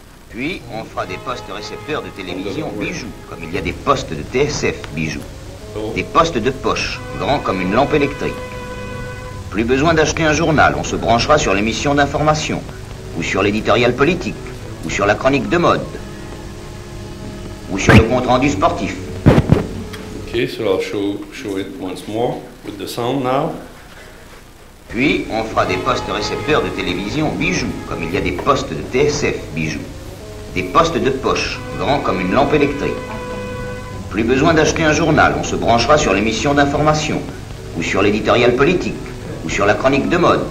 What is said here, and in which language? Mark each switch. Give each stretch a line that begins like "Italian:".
French: Puis, on fera des postes récepteurs de télévision bijoux, comme il y a des postes de TSF bijoux. Des postes de poche, grands comme une lampe électrique. Plus besoin d'acheter un journal, on se branchera sur l'émission d'information, ou sur l'éditorial politique, ou sur la chronique de mode, ou sur le compte-rendu sportif.
English: Ok, so I'll show it once more, with the sound now.
French: Puis, on fera des postes récepteurs de télévision bijoux, comme il y a des postes de TSF bijoux. Des postes de poche, grands comme une lampe électrique. Plus besoin d'acheter un journal, on se branchera sur l'émission d'information, ou sur l'éditorial politique, ou sur la chronique de mode.